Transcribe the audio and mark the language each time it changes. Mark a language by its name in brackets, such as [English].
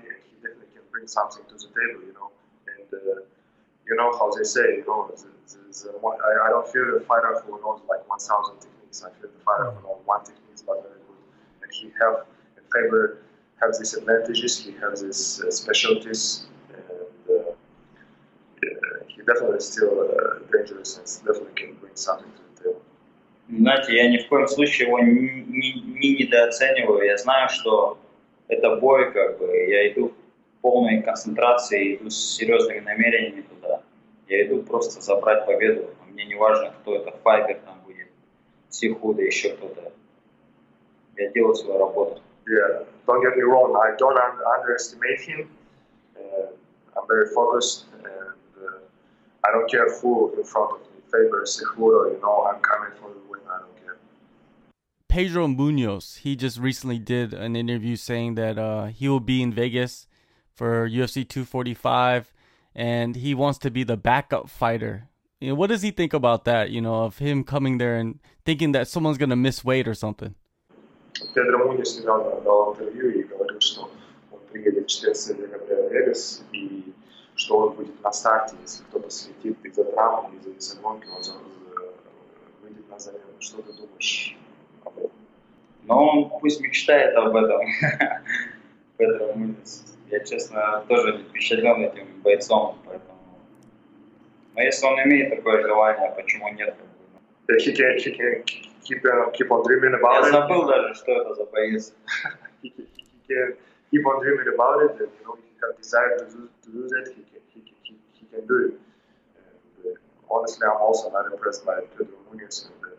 [English] He definitely can bring something to the table, you know. And you know how they say, you know, I don't feel the fighter who knows like 1,000 techniques. I feel the fighter who knows one technique is not very good. And he have in favor have these advantages. He has his specialties, and he definitely is still dangerous and definitely can bring something to the table. [Russian] Знаете, я ни в коем случае его не недооцениваю. Я знаю, что это бой, как бы, я иду в полной концентрации, иду с серьезными намерениями туда. Я иду просто забрать победу. Мне не важно, кто это, Файбер там будет, Сихуда, еще кто-то. Я делаю свою работу. [English] Yeah, don't get me wrong, I don't underestimate him. I'm very focused and I don't care who in front of me, Faber, Sihuda, you know, I'm coming for you. Pedro Munhoz, he just recently did an interview saying that he will be in Vegas for UFC 245 and he wants to be the backup fighter. You know, what does he think about that, you know, of him coming there and thinking that someone's going to miss weight or something? [Russian] Pedro Munhoz недавно дал интервью и говорил, что он приедет 14 декабря в Вегас и что он будет на старте, если кто-то слетит из-за травмы, из-за гонки, он выйдет на замену. Что ты думаешь? Но он пусть мечтает об этом. Поэтому я, честно, тоже впечатлен этим бойцом. Поэтому... Но если он имеет такое желание, почему нет? [English] Keep on dreaming about it. [Russian] Я забыл даже, что это за боец. [English] Keep on dreaming about it. And, you know, if you have desire to do that, he can do it. And, honestly, I'm also not impressed by Pedro Munhoz.